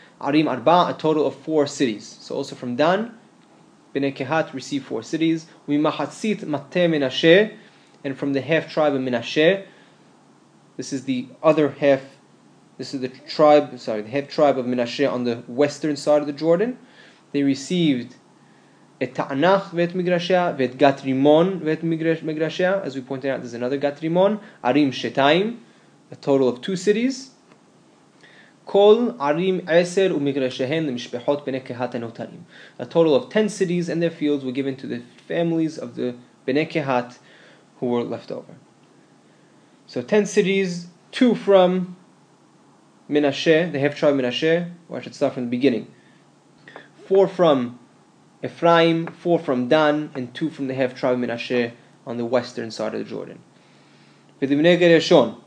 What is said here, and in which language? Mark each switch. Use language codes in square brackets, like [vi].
[he] Arim Arba, [en] a total of four cities. So also from Dan, B'nei Kehat received four cities. [he] Mimachatzit Mateh Menashe, [en] and from the half tribe of Menashe, this is the other half, this is the half tribe of Menashe on the western side of the Jordan. They received [he] את תענך ואת מגרשיה, ואת גת רימון ואת מגרשיה. [en] As we pointed out, there's another גת רימון, [he] ערים שתיים, [en] a total of two cities. [he] כל ערים עשר ומגרשיהן למשפחות בני קהת הנותרים. [en] A total of 10 cities and their fields were given to the families of the בני קהת who were left over. So 10 cities, two from Menashe, the half tribe Menashe, or I should start from the beginning. Four from Ephraim, four from Dan, and two from the half tribe Menashe on the western side of the Jordan. [he] V'divnei Gereshon.